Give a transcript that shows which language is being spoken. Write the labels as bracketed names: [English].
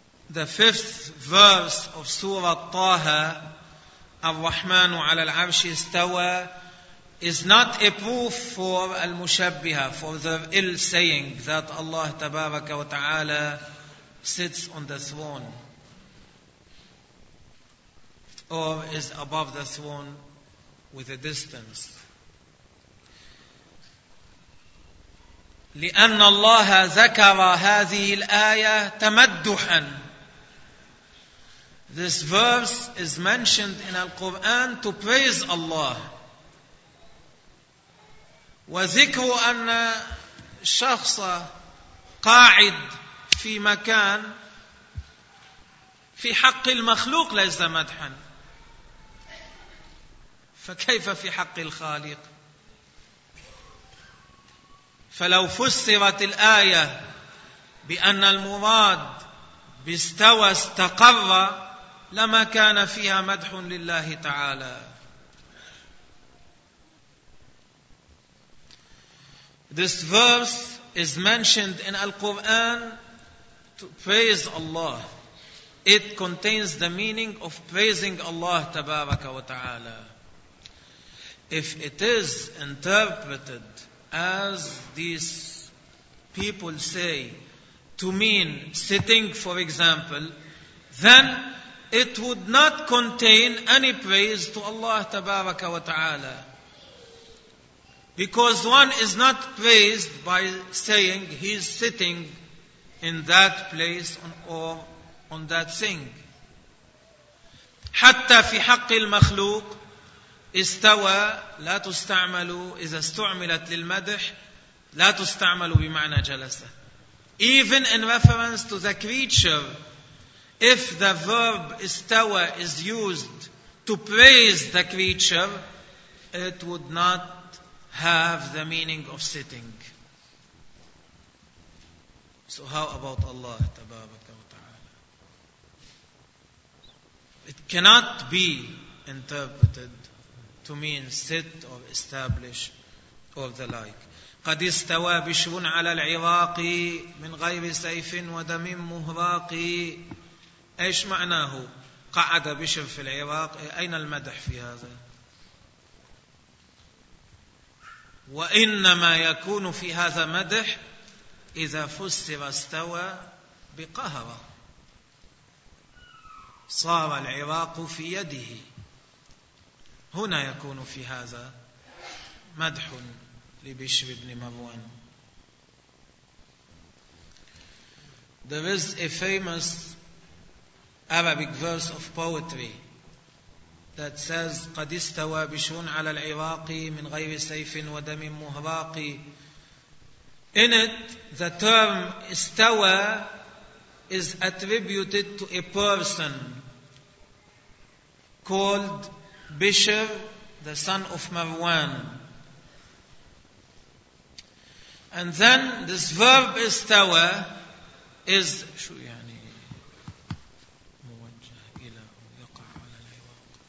[English] The fifth verse of Surah Taha, [Arabic] الرحمن على العرش استوى, [English] is not a proof for المشبهة, for the ill saying that Allah تبارك وتعالى sits on the throne or is above the throne with a distance. [Arabic] لأن الله ذكر هذه الآية تمدحا. [English] This verse is mentioned in Al-Quran to praise Allah. [Arabic] وذكر أن شخص قاعد في مكان في حق المخلوق ليس مدحا, فكيف في حق الخالق؟ فلو فسرت الآية بأن المراد باستوى استقر لما كان فيها مدح لله تعالى. [English] This verse is mentioned in Al-Quran to praise Allah. It contains the meaning of praising Allah تبارك وتعالى. If it is interpreted as these people say to mean sitting, for example, then it would not contain any praise to Allah tabaraka wa ta'ala. Because one is not praised by saying he's sitting in that place or on that thing. [Arabic] Hatta fi haqqi al-makhluq استوى لا تستعمل, إذا استعملت للمدح لا تستعمل بمعنى جلسة. [English] Even in reference to the creature, if the verb استوى is used to praise the creature, it would not have the meaning of sitting. So how about Allah تبارك وتعالى? It cannot be interpreted to mean sit or establish or the like. [Arabic] قد استوى بشر على العراق من غير سيف ودم مهراق. ايش معناه قعد بشر في العراق؟ اين المدح في هذا؟ وانما يكون في هذا مدح اذا فسر استوى بقهر, صار العراق في يده, هنا يكون في هذا مدح لبشر بن مروان. [English] There is a famous Arabic verse of poetry that says [Arabic] قد استوى بشر على العراق من غير سيف ودم مهراق. [English] In it, the term استوى is attributed to a person called Bishr, the son of Marwan. And then this verb istawa is [Arabic] شو يعني موجه إلى يقع على العراق.